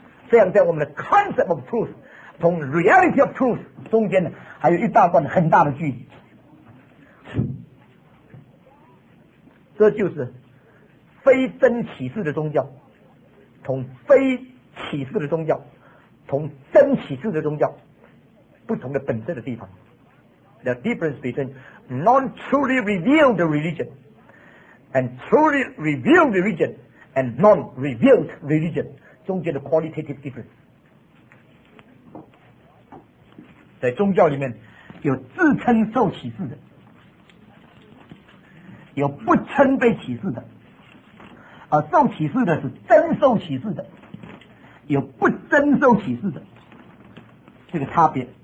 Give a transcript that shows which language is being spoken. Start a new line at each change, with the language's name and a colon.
Chinese: 这样在我们的
English: concept of truth
Chinese: 同
English: reality of truth
Chinese: 中间呢，还有一大段很大的距离。这就是非真启示的宗教同非启示的宗教同真启示的宗教不同的本质的地方。
English: The difference between non-truly revealed religion and truly revealed religion and non-revealed religion
Chinese: 中间的
English: qualitative difference。
Chinese: 在宗教里面有自称受启示的，有不称被启示的，而受启示的是真受启示的，有不真受启示的，这个差别。